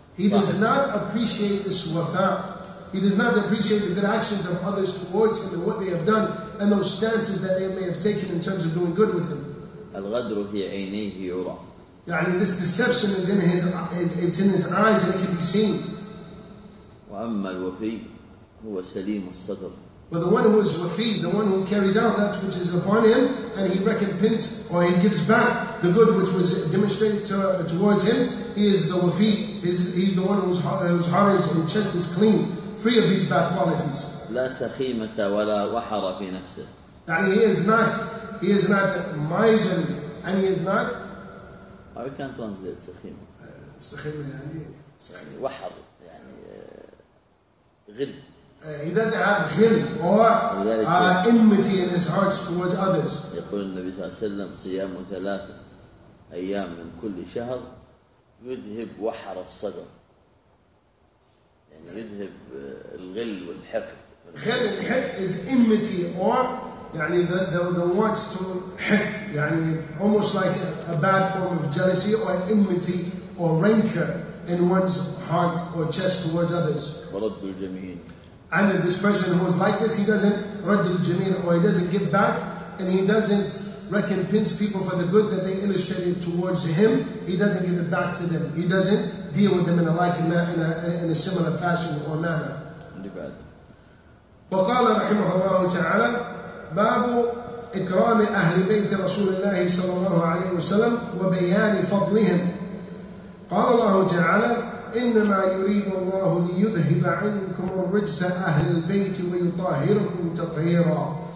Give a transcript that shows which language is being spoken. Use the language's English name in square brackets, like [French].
[English] He does not appreciate this wafa. He does not appreciate the good actions of others towards him and what they have done and those stances that they may have taken in terms of doing good with him. [Arabic] الغدر في عينيه يرى. [English] يعني this deception is in his, it's in his eyes and it can be seen. [Arabic] وأما الوفي هو سليم الصدر. [English] But the one who is wafi, the one who carries out that which is upon him, and he recompense or he gives back the good which was demonstrated towards him, he is the wafi. He's the one whose heart is and chest is clean, free of these bad qualities. [Arabic] لا سخيمة ولا وحر في نفسه. [English] يعني he is not miserly, and he is not. Oh, we can't translate سخيمة. [Arabic] سخيمة يعني وحر يعني غل. [English] He doesn't have ghil or enmity in his heart towards others. [Arabic] يقول النبي صلى الله عليه وسلم صيام ثلاثة أيام من كل شهر يذهب وحر الصدر. يعني يذهب الغل والحقد. [English] Ghil and hit is enmity or يعني the wants to hit, يعني almost like a bad form of jealousy or enmity or rancor in one's heart or chest towards others. [Arabic] ورد الجميل. [English] And this person who is like this, he doesn't [Arabic] رد الجميل [English] or he doesn't give back and he doesn't recompense people for the good that they illustrated towards him. He doesn't give it back to them. He doesn't deal with them in a like in a similar fashion or manner. [Arabic] وقال رحمه الله تعالى باب إكرام أهل بيت رسول الله صلى الله عليه وسلم وبيان فضلهم. قال الله تعالى إنما يريد الله ليذهب عنكم الرجس أهل البيت ويطهركم تطهيرا.